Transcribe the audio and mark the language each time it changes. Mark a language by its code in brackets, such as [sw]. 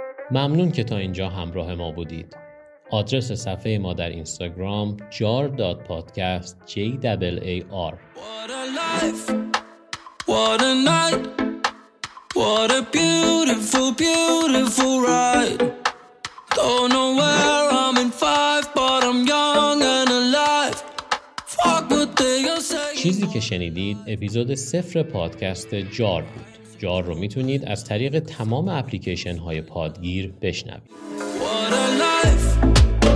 [fa] ممنون که تا اینجا همراه ما بودید. آدرس صفحه ما در اینستاگرام jar.podcast JAAR. [en] What a life, what a night, what a beautiful, beautiful ride. Don't know where I'm in five, but I'm young and alive. Fuck what they are saying. [fa] چیزی که شنیدید اپیزود صفر پادکست جار بود. جار رو میتونید از طریق تمام اپلیکیشن های پادگیر بشنوید.